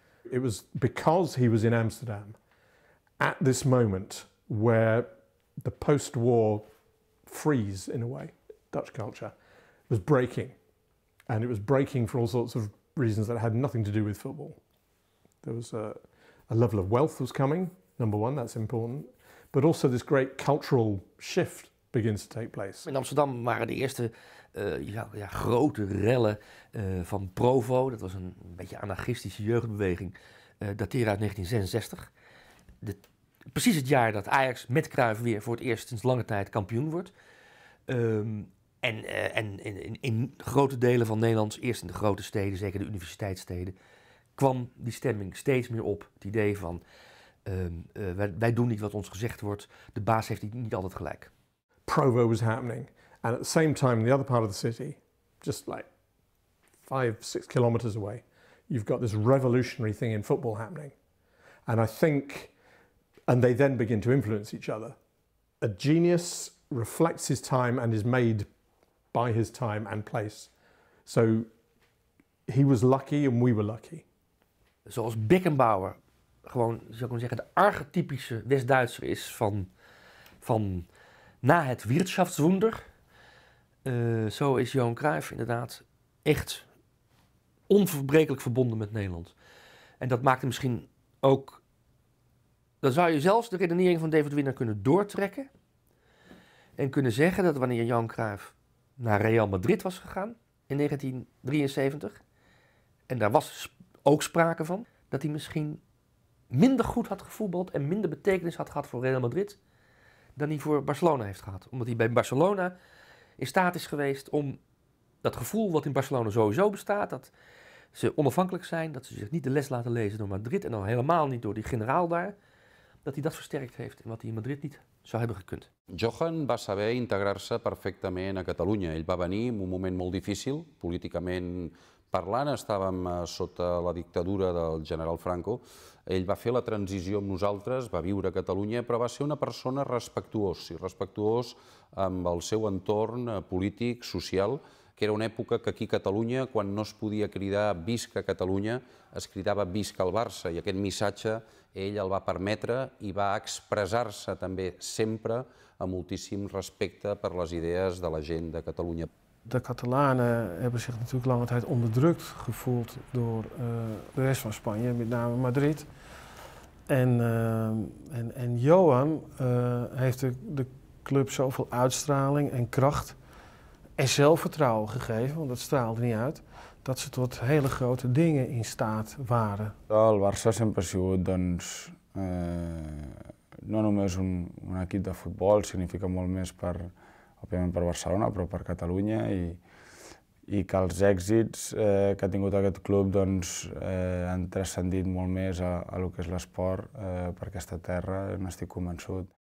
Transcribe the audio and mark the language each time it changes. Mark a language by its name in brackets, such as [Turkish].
[English] It was because he was in Amsterdam at this moment where the post-war freeze, in a way, Dutch culture, was breaking. And it was breaking for all sorts of reasons that had nothing to do with football. There was a level of wealth was coming. Number one, that's important. But also this great cultural shift begins to take place. [Dutch] In Amsterdam waren de eerste grote rellen van Provo. Dat was een beetje anarchistische jeugdbeweging. Dateren uit 1966. Precies het jaar dat Ajax met Cruijff weer voor het eerst sinds lange tijd kampioen wordt. En in grote delen van Nederland, eerst in de grote steden, zeker de universiteitssteden, kwam die stemming steeds meer op. Het idee van, wij doen niet wat ons gezegd wordt. De baas heeft niet altijd gelijk. [English] Provo was happening. And at the same time, in the other part of the city, just like 5-6 kilometers away, you've got this revolutionary thing in football happening. And I think, and they then begin to influence each other. A genius reflects his time and is made by his time and place. So he was lucky and we were lucky. [Dutch] Zoals Beckenbauer gewoon, zou ik maar zeggen, de archetypische West-Duitser is van na het Wirtschaftswunder. Zo is Johan Cruijff inderdaad echt onverbrekelijk verbonden met Nederland. En dat maakte misschien ook... Dan zou je zelfs de redenering van David Winner kunnen doortrekken. En kunnen zeggen dat wanneer Johan Cruijff naar Real Madrid was gegaan in 1973. En daar was ook sprake van. Dat hij misschien minder goed had gevoetbald en minder betekenis had gehad voor Real Madrid. Dan hij voor Barcelona heeft gehad. Omdat hij bij Barcelona in staat is geweest om dat gevoel wat in Barcelona sowieso bestaat. Dat ze onafhankelijk zijn. Dat ze zich niet de les laten lezen door Madrid. En dan helemaal niet door die generaal daar. Dat hij dat versterkt heeft en wat hij in Madrid niet zou hebben gekund. [Catalan] Johan va saber integrar-se perfectament a Catalunya. Ell va venir en un moment molt difícil, políticament parlant, estàvem sota la dictadura del general Franco. Ell va fer la transició amb nosaltres, va viure a Catalunya, però va ser una persona respectuós, i respectuós amb el seu entorn polític, social, que era una època que aquí a Catalunya, quan no es podia cridar visca Catalunya, es cridava visca el Barça, i aquest missatge ell el va permetre i va expressar-se també sempre amb moltíssim respecte per les idees de la gent de Catalunya. [Dutch] De Catalanen hebben zich natuurlijk lange tijd onderdrukt gevoeld door de rest van Spanje, met name Madrid. En Johan heeft de club zoveel uitstraling en kracht en zelfvertrouwen gegeven, want dat straalde niet uit. Dat ze tot hele grote dingen in staat waren. [Catalan] El Barça sempre ha sigut, doncs, no només un equip de futbol, significa molt més per, òbviament, per Barcelona, però per Catalunya, i que els èxits que ha tingut aquest club, doncs, han transcendit molt més a lo que és l'esport per aquesta terra, n'estic convençut.